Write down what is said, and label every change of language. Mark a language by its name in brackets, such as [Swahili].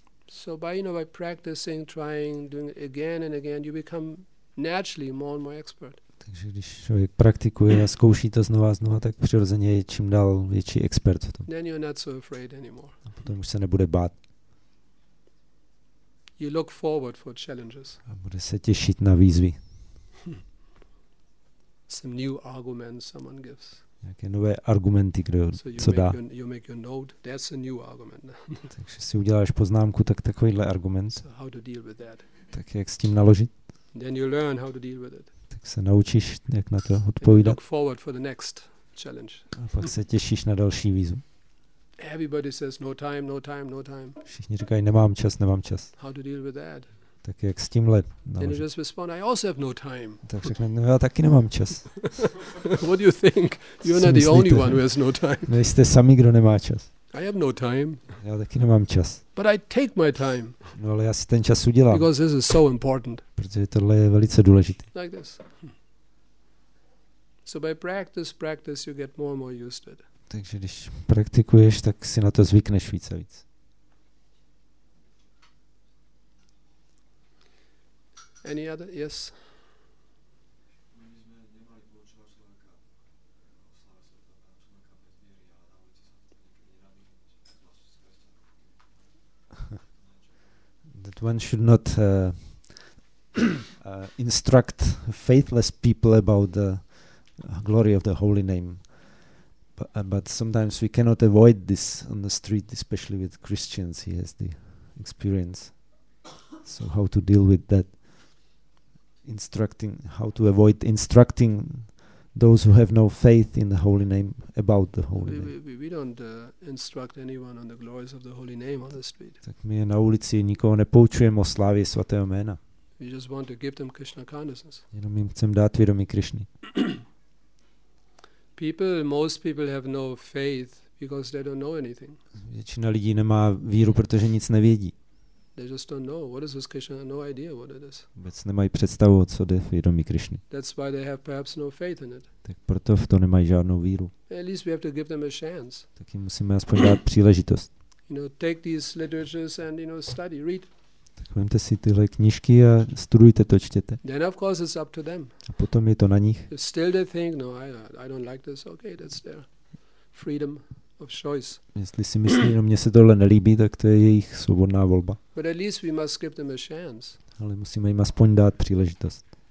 [English] So by, you know, by practicing, trying, doing it again and again, you become naturally more and more expert. [Czech] Takže když člověk praktikuje a zkouší to znova a znova, tak přirozeně je čím dál větší expert v tom. [English] Then you're not so afraid anymore. [Czech] A potom už se nebude bát. [English] You look forward for challenges. [Czech] A bude se těšit na výzvy. [English] Some new arguments someone gives. [Czech] Nějaké nové argumenty, kdo so co dá. [English] You make your note, that's a new argument. [Czech] Takže si uděláš poznámku, tak takovýhle argument. [English] So how to deal with that? [Czech] Tak jak s tím naložit? [English] Then you learn how to deal with it. [Czech] Tak se naučíš, jak na to odpovídat. [English] Look forward for the next challenge. [Czech] A pak se těšíš na další výzvu. [English] Everybody says no time, no time, no time. [Czech] Všichni říkají, nemám čas, nemám čas. [English] How to deal with that? [Czech] Tak jak s tímhle? [English] Then you just respond, I also have no time. [Czech] Tak řekne, no já taky nemám čas. [English] What do you think? You're not the only one who has no time. [Czech] Nejste sami, kdo nemá čas. [English] I have no time. [Czech] Já taky nemám čas. [English] But I take my time. [Czech] No ale já si ten čas udělám. [English] Because this is so important. [Czech] Protože tohle je velice důležité. [English] Like this. So by practice, practice, you get more and more used to it. [Czech] Takže když praktikuješ, tak si na to zvykneš víc a víc. [English] Any other? Yes. That one should not instruct faithless people about the glory of the holy name. But sometimes we cannot avoid this on the street, especially with Christians. He has the experience. So how to deal with that? Instructing, how to avoid instructing those who have no faith in the holy name about the holy name. We don't instruct anyone on the glories of the holy name on the street. [Czech] Tak my na ulici nikoho nepoučujeme o slávě svatého jména. [English] We just want to give them Krishna consciousness. [Czech] Jenom jim chceme dát vědomí Krišny. [English] People, most people have no faith because they don't know anything. [Czech] Většina lidí nemá víru, protože nic nevědí. [English] They just don't know what is this Krishna. No idea what it is. [Czech] Vůbec nemají představu, co je vědomí Krišny. [English] That's why they have perhaps no faith in it. [Czech] Tak proto v to nemají žádnou víru. [English] At least we have to give them a chance. [Czech] Tak jim musíme aspoň dát příležitost. [English] You know, take these literatures and, you know, study, read. [Czech] Tak vemte si tyhle knížky a studujte to, čtěte. [English] Then of course it's up to them. [Czech] A potom je to na nich. [English] If still they think, no, I don't like this. Okay, that's their freedom. Of choice. [Czech] Jestli si myslí, no mně se tohle nelíbí, tak to je jejich svobodná volba. [English] But at least we must give them a chance. [Czech] Ale musíme jim aspoň dát příležitost.